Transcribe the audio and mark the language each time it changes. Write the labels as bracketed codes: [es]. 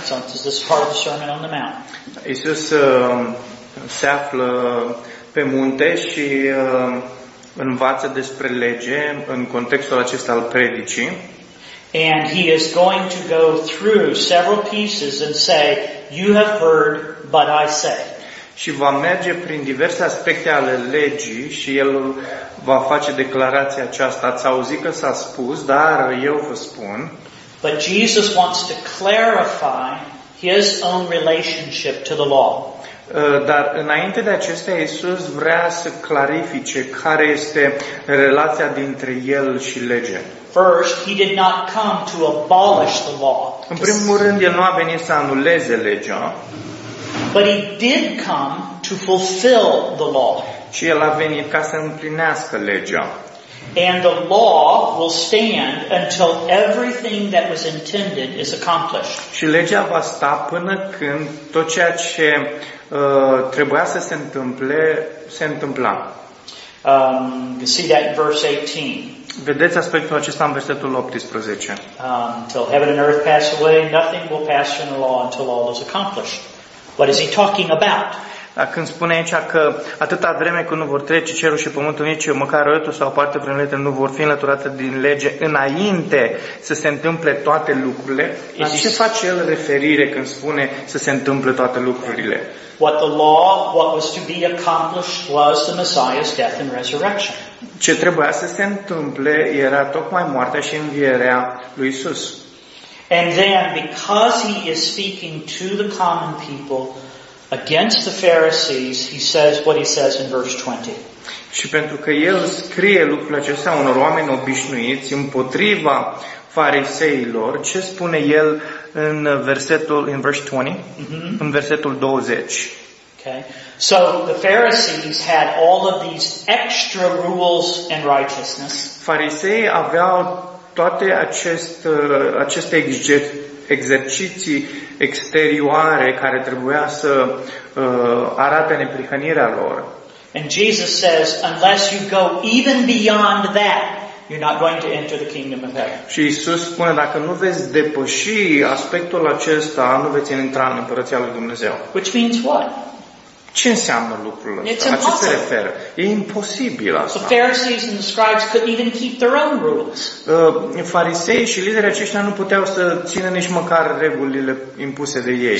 [en] So this is part of the Sermon on the Mount. [ro] Iisus se află pe munte și învață despre lege în contextul acesta al predicii. [en] And he is going to go through several pieces and say, "You have heard, but I say." [ro] Și va merge prin diverse aspecte ale legii și el va face declarația aceasta. Ați auzit că s-a spus, dar eu vă spun. [en] But Jesus wants to clarify his own relationship to the law. [ro] Dar înainte de acestea, Iisus vrea să clarifice care este relația dintre el și lege. [en] First, he did not come to abolish the law. [ro] În primul rând, el nu a venit să anuleze legea. [en] But he did come to fulfill the law. [ro] Și el a venit ca să împlinească legea. [en] And the law will stand until everything that was intended is accomplished. [ro] Și legea va sta până când tot ceea ce trebuia să se întâmple se întâmpla. [en] You see that in verse 18. [ro] Vedeți aspectul acesta în versetul 18. [en] Till heaven and earth pass away, nothing will pass from the law until all is accomplished. What is he talking about? [ro] Când spune aici că atâta vreme când nu vor trece cerul și pământul, nici măcar râtul sau parte prin lete, nu vor fi înlăturate din lege înainte să se întâmple toate lucrurile, la ce face el referire când spune să se întâmple toate lucrurile? [en] What the law, what was to be accomplished was the Messiah's death and resurrection. [ro] Ce trebuia să se întâmple era tocmai moartea și învierea lui Iisus. [en] And then, because he is speaking to the common people, against the Pharisees, he says what he says in verse 20. [ro] Și pentru că el scrie lucrurile acestea unor oameni obișnuiți împotriva fariseilor, ce spune el în versetul [en] in verse 20? [ro] Mm-hmm. În versetul 20. [en] Okay. So the Pharisees had all of these extra rules and righteousness. [ro] Fariseii aveau toate aceste exerciții exterioare care trebuia să arate neprihănirea lor. [en] And Jesus says, unless you go even beyond that, you're not going to enter the kingdom of heaven. [ro] Și Iisus spune, dacă nu veți depăși aspectul acesta, nu veți intra în împărăția lui Dumnezeu. [en] Which means what? [ro] Ce înseamnă lucrul ăsta? La ce se referă? E imposibil asta. [en] The Pharisees and the scribes couldn't even keep their own rules. [ro] Farisei și liderii aceștia nu puteau să țină nici măcar regulile impuse de ei.